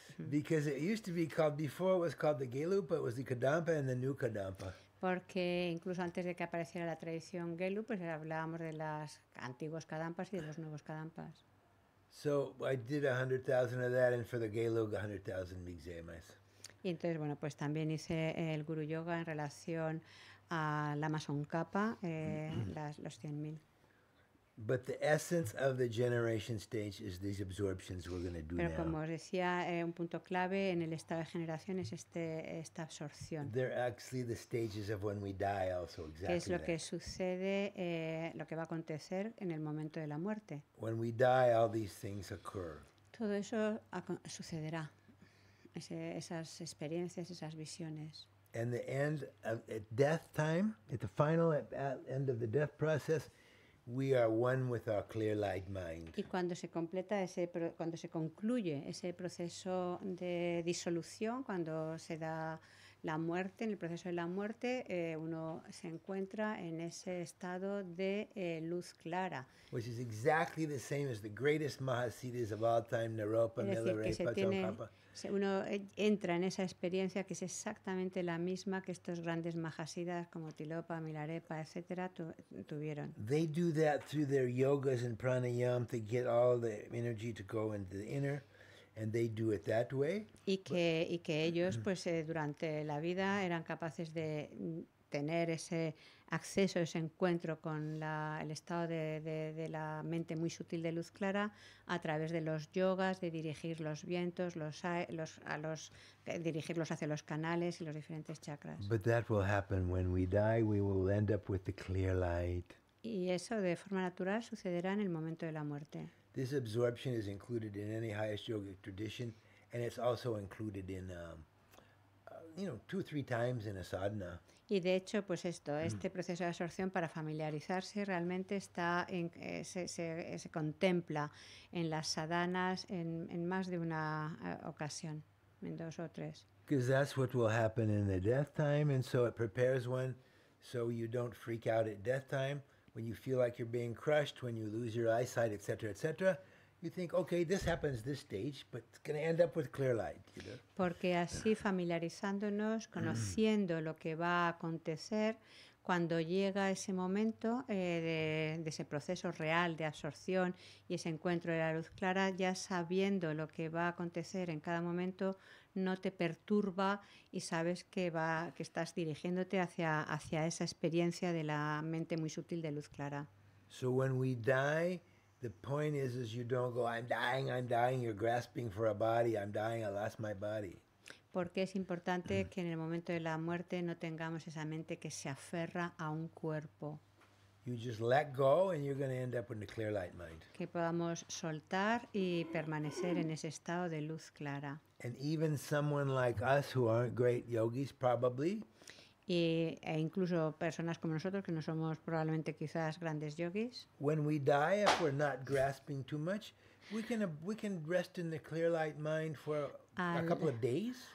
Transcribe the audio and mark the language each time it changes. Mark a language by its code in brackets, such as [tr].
[en] Because it used to be called, before it was called the Gelupa, it was the Kadampa and the new Kadampa. [es] Porque incluso antes de que apareciera la tradición Gelu, pues hablábamos de las antiguos Kadampas y de los nuevos Kadampas. [en] So I did 100,000 of that, and for the Geluga, 100,000 migzemas. [es] Y entonces, bueno, pues también hice el Guru Yoga en relación a Lama Tsongkhapa, los 100,000. [en] But the essence of the generation stage is these absorptions we're going to do now. [es] Pero como os decía, un punto clave en el estado de generación es esta absorción. [en] They're actually the stages of when we die also, exactly. [es] Que es lo que sucede, lo que va a acontecer en el momento de la muerte. [en] When we die, all these things occur. [es] Todo eso sucederá, esas experiencias, esas visiones. [en] And the end of at death time, at the final at end of the death process, we are one with our clear light mind. [es] Y cuando se completa cuando se concluye ese proceso de disolución, cuando se da la muerte, en el proceso de la muerte, uno se encuentra en ese estado de luz clara. [en] Which is exactly the same as the greatest mahasiddhis of all time, Naropa, Milarepa, Tsongkhapa. [es] Uno entra en esa experiencia que es exactamente la misma que estos grandes mahasiddhas como Tilopa, Milarepa, etcétera, tuvieron. [en] They do that through their yogas and pranayam to get all the energy to go into the inner, and they do it that way. [es] Y que ellos, pues durante la vida, eran capaces de tener ese acceso, ese encuentro con el estado de la mente muy sutil de luz clara a través de los yogas, de dirigir los vientos, dirigirlos hacia los canales y los diferentes chakras. [en] But that will happen when we die, we will end up with the clear light. [es] Y eso de forma natural sucederá en el momento de la muerte. [en] This absorption is included in any highest yogic tradition, and it's also included in two or three times in a sadhana. [es] Y de hecho, pues esto, este proceso de absorción para familiarizarse realmente está se contempla en las sadhanas en más de una ocasión, en dos o tres. [en] Because that's what will happen in the death time, and so it prepares one so you don't freak out at death time. When you feel like you're being crushed, when you lose your eyesight, etc., etc., you think, okay, this happens this stage, but it's going to end up with clear light, you know? [es] Porque así familiarizándonos, conociendo lo que va a acontecer, cuando llega ese momento de ese proceso real de absorción y ese encuentro de la luz clara, ya sabiendo lo que va a acontecer en cada momento, no te perturba y sabes que estás dirigiéndote hacia esa experiencia de la mente muy sutil de luz clara. [en] So when we die, the point is you don't go, I'm dying, you're grasping for a body, I'm dying, I lost my body. [es] Porque es importante que en el momento de la muerte no tengamos esa mente que se aferra a un cuerpo. [en] You just let go and you're going to end up in a clear light mind. [es] Que podamos soltar y permanecer en ese estado de luz clara. [en] And even someone like us who aren't great yogis probably. [es] e incluso personas como nosotros, que no somos probablemente quizás grandes yogis. [en] When we die, if we're not grasping too much, we can rest in the clear light mind for a couple of days.